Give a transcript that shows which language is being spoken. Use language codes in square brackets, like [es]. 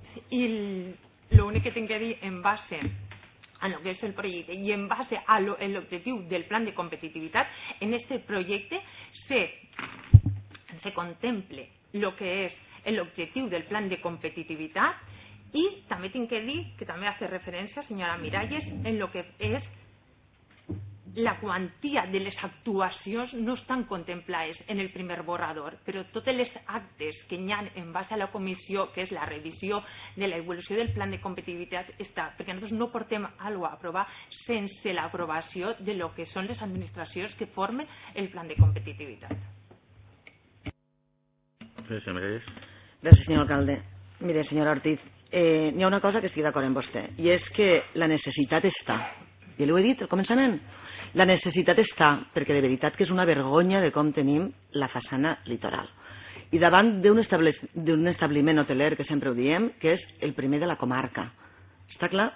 [ca] I l'únic que tinc que dir en base [es] en lo que es el proyecto y en base a lo, el objetivo del plan de competitividad, en este proyecto se contemple lo que es el objetivo del plan de competitividad. Y también tengo que decir, que también hace referencia, señora Miralles, en lo que es la cuantía de las actuaciones no están contempladas en el primer borrador, pero todos los actos que ñan en base a la comisión, que es la revisión de la evolución del plan de competitividad, está, porque nosotros no portemos algo a aprobar sense la aprobación de lo que son las administraciones que formen el plan de competitividad. Gracias, señor alcalde. [ca] Mire, señor Ortiz, n'hi ha una cosa que estic d'acord amb vostè, i és que la necessitat està. I li ho he dit al començament. La necessitat està, perquè de veritat que és una vergonya de com tenim la façana litoral. I davant d'un establiment hoteler, que sempre ho diem, que és el primer de la comarca. Està clar?